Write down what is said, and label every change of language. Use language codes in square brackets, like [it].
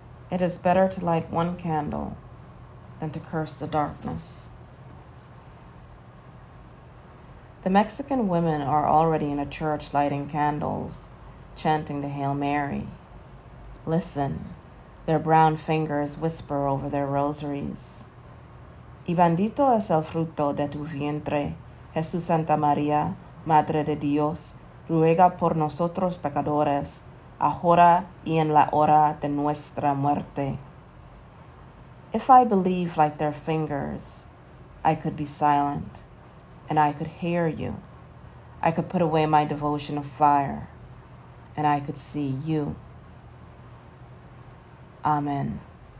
[en] It is better to light one candle than to curse the darkness. The Mexican women are already in a church lighting candles, chanting the Hail Mary. Listen, their brown fingers whisper over their rosaries. [es] Y bendito es el fruto de tu vientre, Jesús Santa María, Madre de Dios, ruega por nosotros pecadores, ahora y en la hora de nuestra muerte. [en] If I believe like their fingers, I could be silent, and I could hear you. I could put away my devotion of fire, and I could see you. Amen.